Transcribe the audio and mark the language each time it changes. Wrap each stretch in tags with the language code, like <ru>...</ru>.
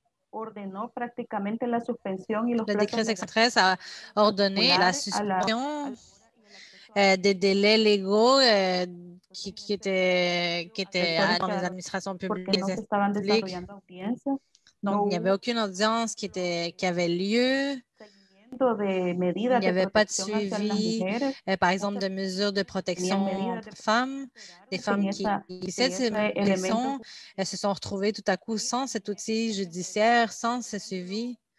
<es>Ordenó prácticamente la suspensión y los</es> <fr>le décret 513 a ordonné la suspension des délais légaux qui étaient dans les administrations publiques.</fr> <es>Porque no se estaban desarrollando audiencias.</es> <fr>Donc, il n'y avait aucune audience qui avait lieu. Il n'y avait pas de suivi, par exemple, de mesures de protection des femmes. Des femmes qui elles se sont retrouvées tout à coup sans cet outil judiciaire, sans ce suivi.</fr>